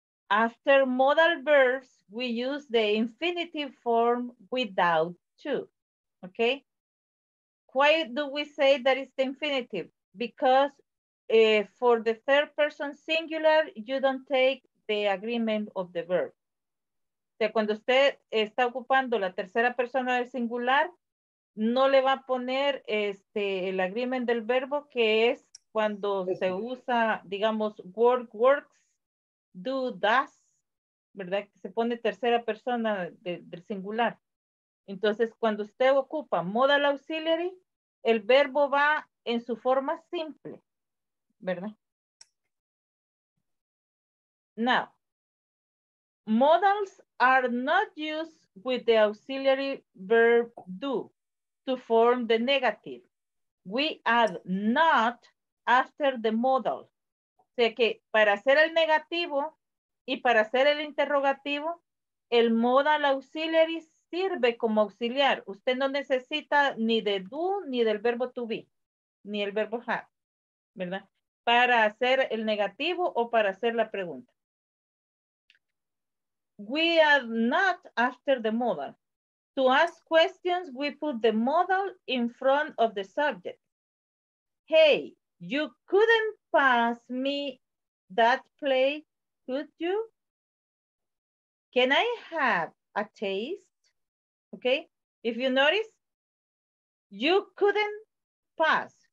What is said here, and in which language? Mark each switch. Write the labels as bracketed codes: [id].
[en] After modal verbs, we use the infinitive form without to. Okay. Why do we say that it's the infinitive? Because for the third person singular, you don't take the agreement of the verb. [es] O sea, cuando usted está ocupando la tercera persona del singular, no le va a poner el agreement del verbo, que es cuando se usa, digamos, work, works, do, does, ¿verdad? Se pone tercera persona del singular. Entonces, cuando usted ocupa modal auxiliary, el verbo va en su forma simple, ¿verdad? [en] Now, modals are not used with the auxiliary verb do to form the negative. We add not after the modal. [es] O sea que para hacer el negativo y para hacer el interrogativo, el modal auxiliary sirve como auxiliar. Usted no necesita ni de do ni del verbo to be, ni el verbo have, ¿verdad? Para hacer el negativo o para hacer la pregunta. [en] We add not after the modal. To ask questions, we put the modal in front of the subject. Hey, you couldn't pass me that plate, could you? Can I have a taste? Okay, if you notice, you couldn't pass.